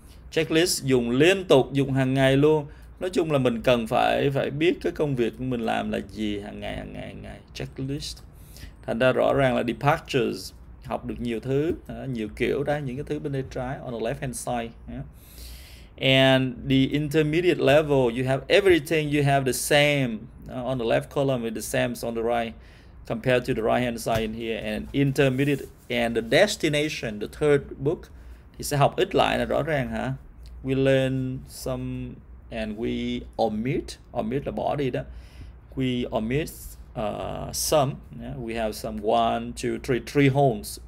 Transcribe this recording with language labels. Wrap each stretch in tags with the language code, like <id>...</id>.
<vi>Checklist dùng liên tục, dùng hàng ngày luôn. Nói chung là mình cần phải phải biết cái công việc mình làm là gì hàng ngày, hàng ngày, hàng ngày. Checklist. Thành ra rõ ràng là departures. Học được nhiều thứ, nhiều kiểu đó, những cái thứ bên tay trái,</vi> <en>on the left hand side. And the intermediate level, you have everything, you have the same. On the left column with the same on the right, compared to the right hand side in here. And intermediate and the destination, the third book,</en> <vi>thì sẽ học ít lại là rõ ràng hả?</vi> <en>We learn some and we omit.</en> <vi>Omit là bỏ đi đó.</vi> <en>We omit some. We have some 1, 2, 3, 3 holes.</en>